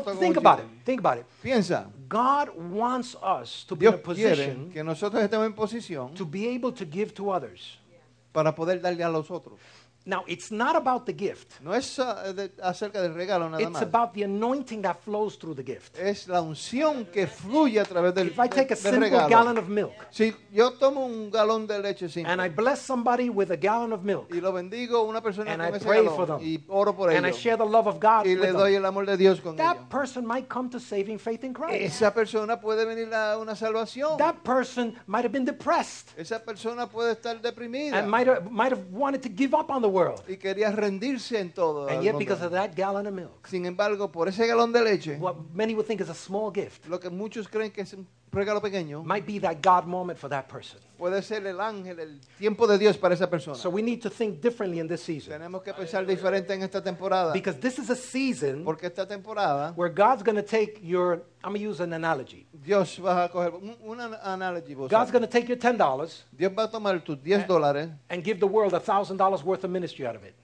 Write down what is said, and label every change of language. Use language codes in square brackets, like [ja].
[en] think about it. [es] Piensa. [en] God wants us to [es] Dios [en] be in a position [es] que nosotros estemos en posición [en] to be able to give to others. [es] Para poder darle a los otros. [en] Now, it's not about the gift. [es] No es acerca del regalo nada [en] it's [es] más. [en] About the anointing that flows through the gift. [es] Es la unción que fluye a través del regalo. [en] If I take a simple [es] regalo. [en] Gallon of milk, [es] si yo tomo un galón de leche simple, [en] and I bless somebody with a gallon of milk, [es] y lo bendigo una persona [en] and [es] con [en] I [es] ese [en] pray [es] galón, [en] for them, [es] y oro por [en] and [es] ello, [en] I share the love of God [es] y le doy el amor de Dios con [en] that [es] ella, [en] person might come to saving faith in Christ. [es] Esa persona puede venir a una salvación. [en] That person might have been depressed. [es] Esa persona puede estar deprimida. [en] And might have wanted to give up on the world. [es] Y quería rendirse en todo. [en] And yet, because of that gallon of milk, [es] sin embargo, por ese galón de leche, [en] what many would think is a small gift, [es] lo que muchos creen que es un regalo pequeño. [en] Might be that God moment for that person. [es] Puede ser el ángel, el tiempo de Dios para esa persona. [en] So we need to think differently in this season. [es] Tenemos que pensar diferente en esta temporada. [en] Because this is a season. [es] Porque esta temporada. [en] Where God's going to take your, I'm going to use an analogy. [es] Dios va a coger una analogy. [en] God's going to take your $10. [es] Dios va a tomar tus $10. [en] And give the world $1,000 worth of ministry out of it.